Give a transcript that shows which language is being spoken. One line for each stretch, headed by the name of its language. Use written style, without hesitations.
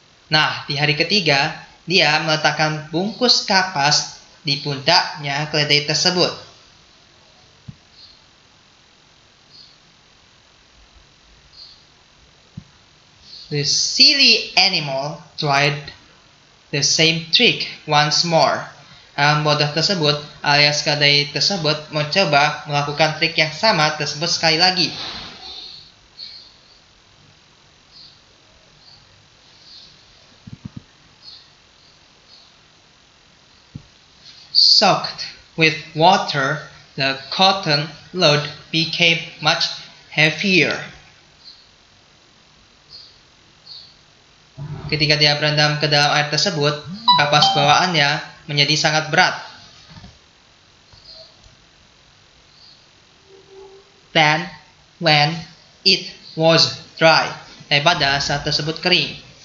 Indonesian: Nah, di hari ketiga, dia meletakkan bungkus kapas di pundaknya keledai tersebut.
English: the silly animal tried the same trick once more.
Indonesian: Bodoh tersebut alias keledai tersebut mencoba melakukan trik yang sama tersebut sekali lagi.
English: Soaked with water, the cotton load became much heavier.
Indonesian: Ketika dia berendam ke dalam air tersebut, kapas bawaannya menjadi sangat berat.
English: Then, when it was dry,
Indonesian: daripada saat tersebut kering.